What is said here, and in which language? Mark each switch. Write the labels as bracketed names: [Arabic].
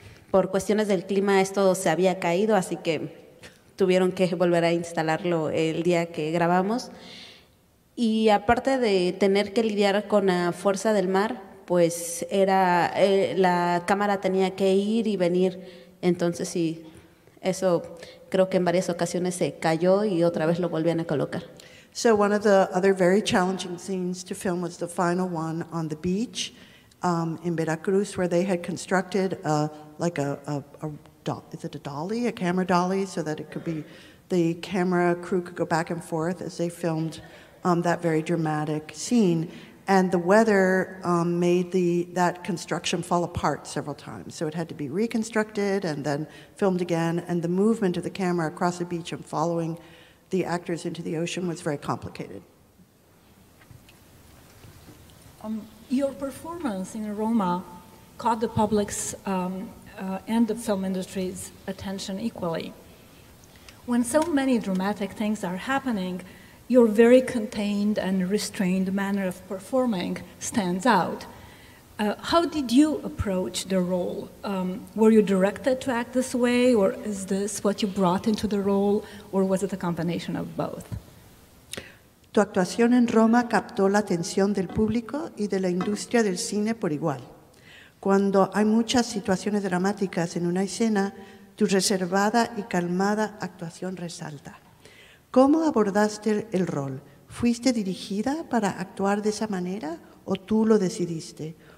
[Spanish] Por cuestiones del clima, esto se había caído, así que tuvieron que volver a instalarlo el día que grabamos. Y aparte de tener que lidiar con la fuerza del mar, pues era la cámara tenía que ir y venir. Entonces, sí, eso creo que en varias ocasiones se cayó y otra vez lo volvían a colocar. [English] So one of the other very challenging scenes to film was the final one on the beach in Veracruz, where they had constructed a camera dolly, so that it could be, the camera crew could go back and forth as they filmed that very dramatic scene. And the weather made that construction fall apart several times. So it had to be reconstructed and then filmed again. And the movement of the camera across the beach and following the actors into the ocean was very complicated. Your performance in Roma caught the public's and the film industry's attention equally. When so many dramatic things are happening, your very contained and restrained manner of performing stands out. How did you approach the role? Were you directed to act this way, or is this what you brought into the role, or was it a combination of both? [Spanish] Tu actuación en Roma captó la atención del público y de la industria del cine por igual. Cuando hay muchas situaciones dramáticas en una escena, tu reservada y calmada actuación resalta. ¿Cómo abordaste el rol? ¿Fuiste dirigida para actuar de esa manera o tú lo decidiste?